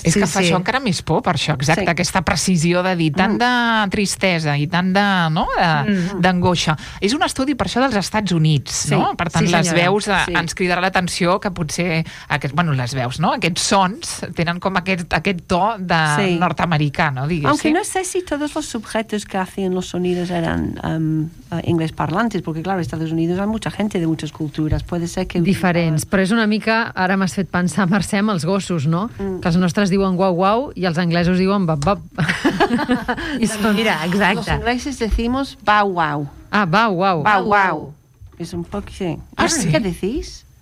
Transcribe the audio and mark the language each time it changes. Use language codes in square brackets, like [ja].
[ca] És que fa això encara més por, per això, exacte. Sí. Aquesta precisió de dir tant de tristesa i tant de, no, d'angoixa. És un estudi, per això, dels Estats Units, sí. No? Per tant, sí, les veus ens cridaran l'atenció que potser, aquest, bueno, les veus, no? Aquests sons tenen com aquest to de nord-americà, no? Diguéssim. [es] Aunque no sé si todos los sujetos que hacían los sonidos eran inglés parlantes, porque claro, Estados Unidos hay mucha gente de muchas culturas, puede ser que... [ca] Diferents, però és una mica, ara m'has fet pensar, Mercè, amb els gossos, no? Mm. Que els nostres diuen guau-guau i els anglesos diuen bap-bap. Són... Mira, exacte. [es] Los ingleses decimos bau-guau. Ah, bau-guau. [ca] Bau-guau. És un poc, sí. Ah, sí? Què decís?